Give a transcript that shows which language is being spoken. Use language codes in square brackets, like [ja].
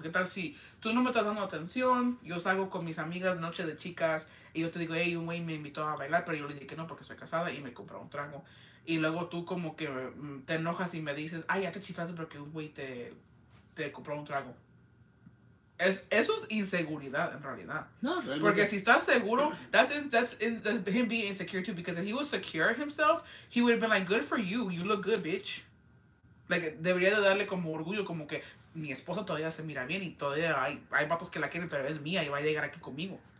[es] ¿Qué tal si tú no me estás dando atención? Yo salgo con mis amigas noche de chicas y yo te digo, hey, un güey me invitó a bailar, pero yo le dije que no porque soy casada y me compró un trago. Y luego tú como que te enojas y me dices, ay, ya te chiflaste porque un güey te compró un trago. Eso es inseguridad en realidad. No, realmente. Porque si estás seguro, [en] that's him being insecure too. Because if he was secure himself, he would have been like, good for you. You look good, bitch. [es] Like, debería de darle como orgullo, como que mi esposa todavía se mira bien y todavía hay vatos que la quieren, pero es mía y va a llegar aquí conmigo.